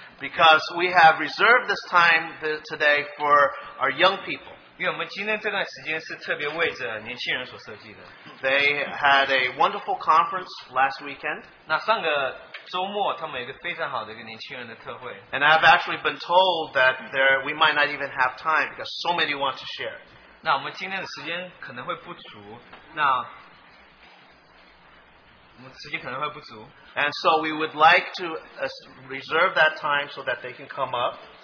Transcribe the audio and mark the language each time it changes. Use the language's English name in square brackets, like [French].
[English] Because we have reserved this time today for our young people. [Chinese] 因为我们今天这段时间是特别为着年轻人所设计的。 [English] They had a wonderful conference last weekend. [Chinese] 那上个周末，他们有一个非常好的一个年轻人的特会。 [English] And I've actually been told that there we might not even have time because so many want to share. [Chinese] 那我们今天的时间可能会不足。 [English] And so we would like to reserve that time so that they can come up.